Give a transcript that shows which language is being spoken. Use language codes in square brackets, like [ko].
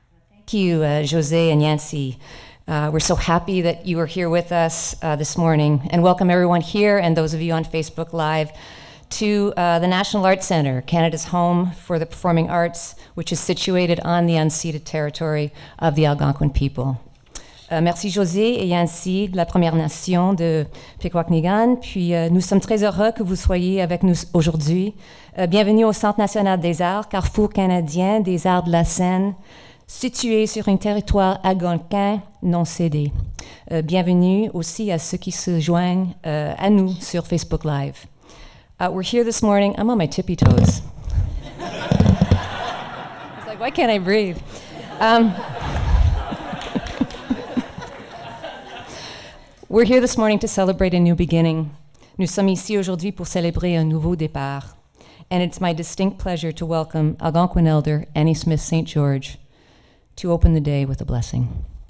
[en] Thank you, José and Yancy. We're so happy that you are here with us this morning. And welcome everyone here and those of you on Facebook Live to the National Arts Center, Canada's home for the performing arts, which is situated on the unceded territory of the Algonquin people. [fr] Merci José et Yancy de la Première Nation de Pequawkinagan. Puis nous sommes très heureux que vous soyez avec nous aujourd'hui. Bienvenue au Centre national des arts, carrefour canadien des arts de la scène, situé sur un territoire algonquin non cédé. Bienvenue aussi à ceux qui se joignent à nous sur Facebook Live. [en] We're here this morning, I'm on my tippy toes. It's like, why can't I breathe? We're here this morning to celebrate a new beginning. [fr] Nous sommes ici aujourd'hui pour célébrer un nouveau départ. [en] And it's my distinct pleasure to welcome Algonquin elder Annie Smith St. George to open the day with a blessing.